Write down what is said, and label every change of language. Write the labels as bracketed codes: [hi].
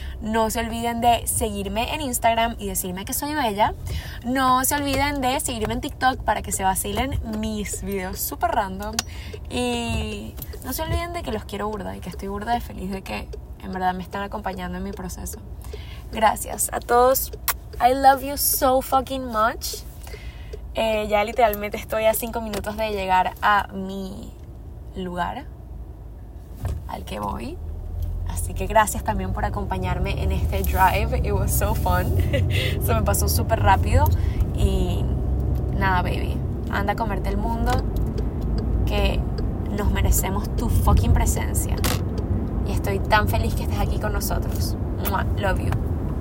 [es] No se olviden de seguirme en Instagram y decirme que soy bella. No se olviden de seguirme en TikTok para que se vacilen mis videos super random. Y no se olviden de que los quiero burda y que estoy burda de feliz de que en verdad me están acompañando en mi proceso. Gracias a todos. [en] I love you so fucking much. [es] Ya literalmente estoy a 5 minutos de llegar a mi lugar, al que voy. Así que gracias también por acompañarme en este drive. [en] It was so fun. [es] Se me pasó súper rápido. Y nada, baby, anda a comerte el mundo, que nos merecemos tu fucking presencia. Y estoy tan feliz que estés aquí con nosotros. [en] Love you.